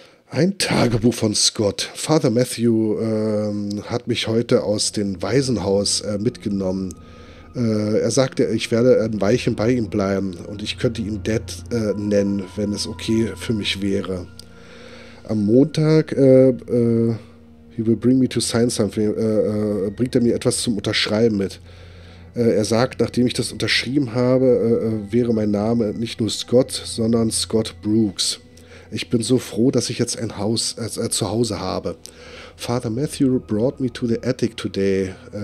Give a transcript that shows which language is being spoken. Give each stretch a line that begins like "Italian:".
German: Ein Tagebuch von Scott. Father Matthew hat mich heute aus dem Waisenhaus mitgenommen. Er sagte, ich werde ein Weilchen bei ihm bleiben und ich könnte ihn Dad nennen, wenn es okay für mich wäre. Am Montag
English: he will bring me to sign something.
German: Bringt er mir etwas zum Unterschreiben mit. Er sagt, nachdem ich das unterschrieben habe, wäre mein Name nicht nur Scott, sondern Scott Brooks. Ich bin so froh, dass ich jetzt ein Haus zu Hause habe.
English: Father Matthew brought me to the attic today.